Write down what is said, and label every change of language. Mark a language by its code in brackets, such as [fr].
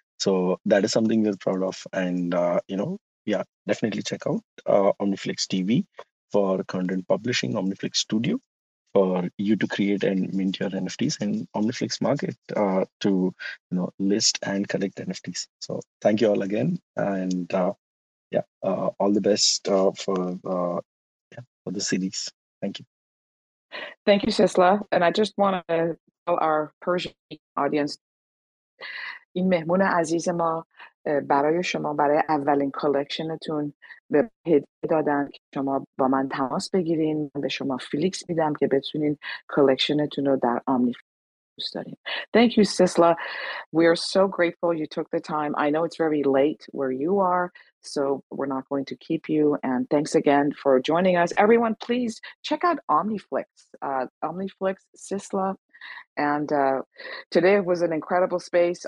[en] So that is something we're proud of. And definitely check out OmniFlix TV for content publishing, OmniFlix Studio for you to create and mint your NFTs, and OmniFlix Market to list and collect NFTs. So thank you all again, and all the best for the series. Thank you. Thank you, Sisla. And I just want to tell our Persian audience, [fa] این مهمون عزیز ما برای شما برای اولین کلکشنتون به هدیه دادن که شما با من تماس بگیرین. من به شما فلیکس میدم که بتونین کلکشنتون رو در آمنیفلیکس دارین. [en] Thank you, Sisla. We are so grateful you took the time. I know it's very late where you are, so we're not going to keep you. And thanks again for joining us. Everyone, please check out Omniflix. Omniflix, Sisla. And today was an incredible space.